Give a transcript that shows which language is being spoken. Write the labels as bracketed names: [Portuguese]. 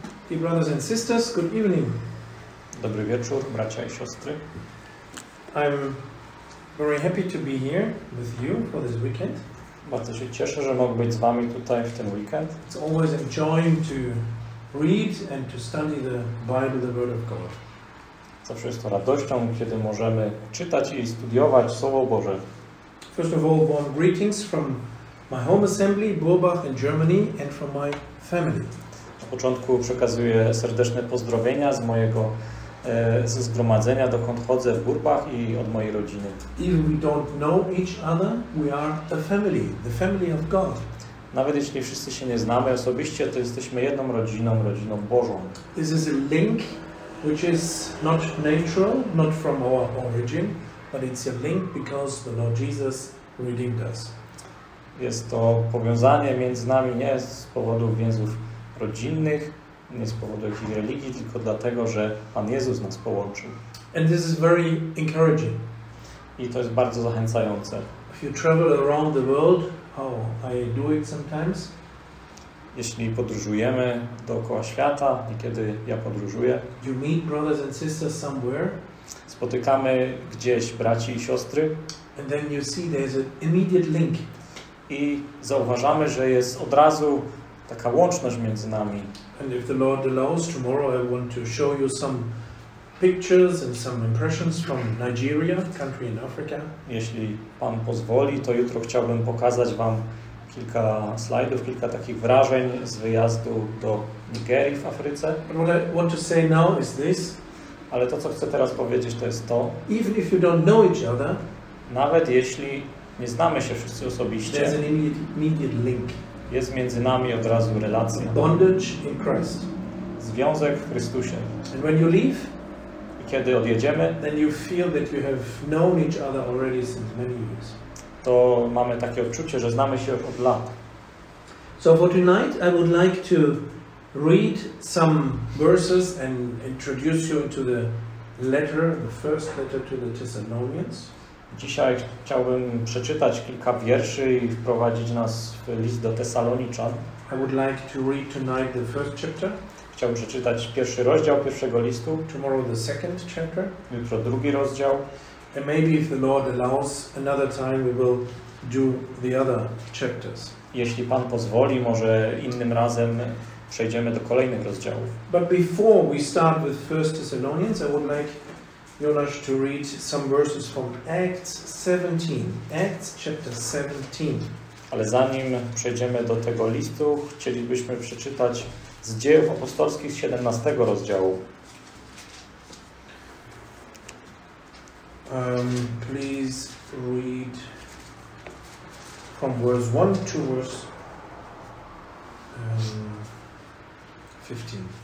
[English] Dear brothers and sisters, good evening. [Polish] Dobry wieczór, bracia i siostry. [English] I'm very happy to be here with you for this weekend. [Polish] Bardzo się cieszę, że mogę być z wami tutaj w ten weekend. [English] It's always enjoying to read and to study the Bible, the Word of God. [Polish] Zawsze jest to radością, kiedy możemy czytać i studiować Słowo Boże. [English] First of all, warm greetings from my home assembly, Burbach in Germany, and from my family. [Polish] Na początku przekazuję serdeczne pozdrowienia z mojego ze zgromadzenia, dokąd chodzę, w Burbach, i od mojej rodziny. [English] Even we don't know each other, we are the family of God. [Polish] Nawet jeśli wszyscy się nie znamy osobiście, to jesteśmy jedną rodziną, rodziną Bożą. [English] This is a link which is not natural, not from our origin, but it's a link because the Lord Jesus redeemed us. [Polish] Jest to powiązanie między nami nie z powodu więzów rodzinnych, nie z powodu jakiejś religii, tylko dlatego, że Pan Jezus nas połączył. [English] And this is very encouraging. [Polish] I to jest bardzo zachęcające. [English] If you travel around the world, how I do it sometimes. [Polish] Jeśli podróżujemy dookoła świata, niekiedy ja podróżuję, [English] you meet brothers and sisters somewhere, [Polish] spotykamy gdzieś braci i siostry, [English] and then you see there's an immediate link. [Polish] I zauważamy, że jest od razu taka łączność między nami. [English] And if the Lord allows, tomorrow I want to show you some pictures and some impressions from Nigeria, country in Africa. [Polish] Jeśli Pan pozwoli, to jutro chciałbym pokazać wam kilka slajdów, kilka takich wrażeń z wyjazdu do Nigerii w Afryce. [English] What I want to say now is this. [Polish] Ale to, co chcę teraz powiedzieć, to jest to. [English] Even if you don't know each other, [Polish] nawet jeśli nie znamy się wszyscy osobiście, [English] there's an immediate link. [Polish] Jest między nami od razu relacja. [English] Bondage in Christ. [Polish] Związek w Chrystusie. [English] And when you leave, [Polish] i kiedy odjedziemy, [English] then you feel that you have known each other already since many years. [Polish] To mamy takie odczucie, że znamy się od lat. [English] So for tonight I would like to read some verses and introduce you to the letter, the first letter to the Thessalonians. [Polish] Dzisiaj chciałbym przeczytać kilka wierszy i wprowadzić nas w list do Tesaloniczan. [English] I would like to read tonight the first chapter. [Polish] Chciałbym przeczytać pierwszy rozdział pierwszego listu. [English] Tomorrow the second chapter. [Polish] Jutro drugi rozdział. [English] And maybe if the Lord allows, another time we will do the other chapters. [Polish] Jeśli Pan pozwoli, może innym razem przejdziemy do kolejnych rozdziałów. [English] But before we start with First Thessalonians, I would like Jonasz to read some verses from Acts 17. Acts chapter 17. [Polish] Ale zanim przejdziemy do tego listu, chcielibyśmy przeczytać z Dziejów Apostolskich 17 rozdziału. [English] Please read from verse 1 to verse 15.